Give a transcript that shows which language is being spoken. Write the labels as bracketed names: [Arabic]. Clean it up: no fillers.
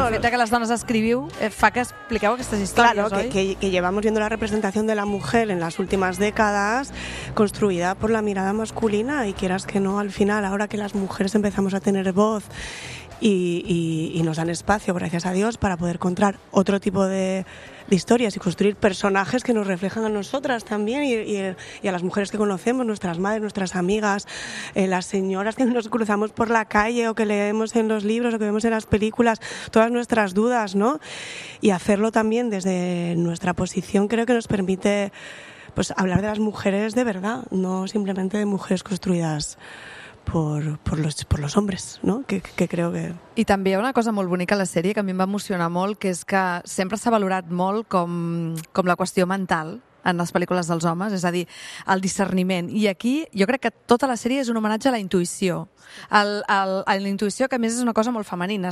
[Catalan] que las dones escribiu, fa que expliqueu aquestes històries, [Spanish] claro, [Catalan] oi? [Spanish] Claro, que llevamos viendo la representación de la mujer en las últimas décadas construida por la mirada masculina y quieras que no, al final, ahora que las mujeres empezamos a tener voz y nos dan espacio, gracias a Dios, para poder contar otro tipo de historias y construir personajes que nos reflejan a nosotras también y a las mujeres que conocemos, nuestras madres, nuestras amigas, las señoras que nos cruzamos por la calle o que leemos en los libros o que vemos en las películas, todas nuestras dudas, ¿no? Y hacerlo también desde nuestra posición creo que nos permite pues, hablar de las mujeres de verdad, no simplemente de mujeres construidas por los hombres, ¿no? Que creo que... [Catalan] I també hi ha una cosa molt bonica a la sèrie que a mi em va emocionar molt, que és que sempre s'ha valorat molt com la qüestió mental en les pel·lícules dels homes, és a dir, el discerniment. I aquí jo crec que tota la sèrie és un homenatge a la intuïció. A la intuïció, que a més és una cosa molt femenina.